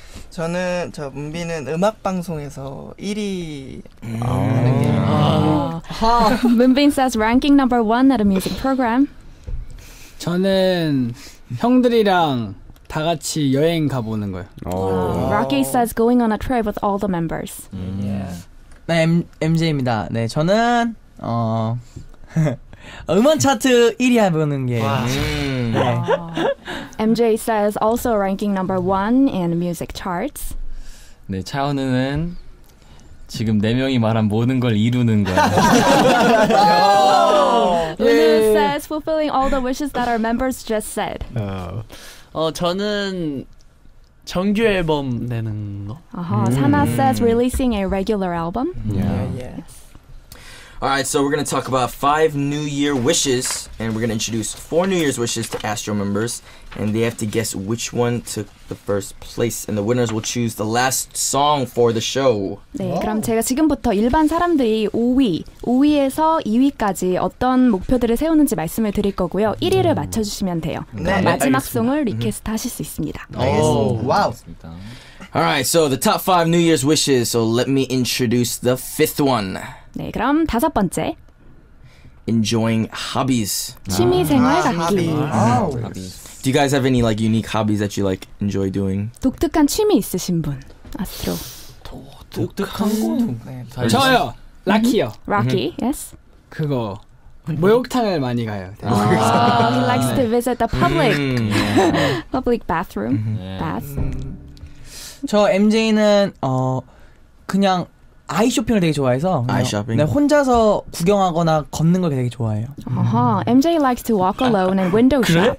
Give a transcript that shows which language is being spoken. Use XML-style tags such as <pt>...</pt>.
<ko>저는 저 문빈은 음악 방송에서 1위 하는 게.</ko> <en>Moonbin says ranking number one at a music program.</en> <ko>저는 형들이랑 다 같이 여행 가보는 거예요. Oh.</ko> <en>Rocky says going on a trip with all the members.</en> <ko>Yeah. 네, MJ입니다. 네, 저는 음원 차트 1위 해보는 게. Wow. 네.</ko> <en>MJ says also ranking number one in music charts.</en> <ko>네, 차은우는 지금 네 명이 말한 모든 걸 이루는 거예요.</ko> <en>Winu says fulfilling all the wishes that our members just said.</en> <ko>저는 정규 앨범 내는 거.</ko> <en>Sana says releasing a regular album. Yeah. Yes. All right, so we're going to talk about five New Year wishes, and we're going to introduce four New Year's wishes to ASTRO members, and they have to guess which one took the first place, and the winners will choose the last song for the show.</en> <ko>네, 그럼 제가 지금부터 일반 사람들이 5위에서 2위까지 어떤 목표들을 세우는지 말씀을 드릴 거고요. 1위를 맞춰주시면 돼요. 그럼 네, 마지막 송을 리퀘스트 하실 수 있습니다. 알겠습니다. Wow.</ko> <en>All right, so the top five New Year's wishes, so let me introduce the fifth one.</en> <ko>네, 그럼 다섯 번째.</ko> <en>Enjoying hobbies.</en> <ko>취미생활 갖기.</ko> <en>Do you guys have any like unique hobbies that you like enjoy doing?</en> <ko>독특한 취미 있으신 분, 아스트로. 독특한 거? 저요, 락키요. 락키, yes. 그거 목욕탕을 많이 가요.</ko> <en>He likes to visit the public public bathroom. Bath.</en> <ko>저 MJ는 그냥 아이 쇼핑을 되게 좋아해서 아이 쇼핑. 네, 혼자서 구경하거나 걷는 걸 되게 좋아해요.</ko> <en>MJ likes to walk alone and window shop.</en>